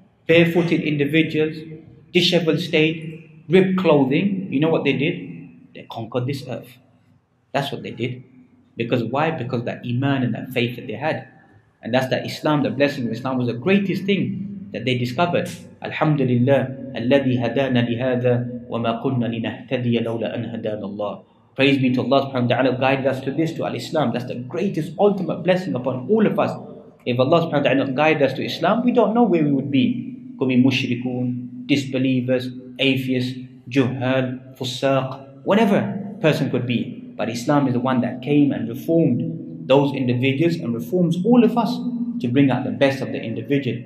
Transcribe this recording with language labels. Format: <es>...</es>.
<en>Barefooted individuals, disheveled state, ripped clothing, you know what they did? They conquered this earth. That's what they did. Because why? Because that iman and that faith that they had. And that's that Islam, the blessing of Islam, was the greatest thing that they discovered.</en> <ar>Alhamdulillah, alladhi hadana lihada, وَمَا قُلْنَا لِنَهْتَدِيَ لَوْلَا أَنْ هَدَانَ اللَّهِ.</ar> <en>Praise be to Allah subhanahu wa ta'ala, guided us to this, to Al-Islam. That's the greatest ultimate blessing upon all of us. If Allah subhanahu wa ta'ala guided us to Islam, we don't know where we would be. Could be mushrikun, disbelievers, atheists, juhal, fusaq, whatever person could be. But Islam is the one that came and reformed those individuals and reforms all of us to bring out the best of the individual.</en>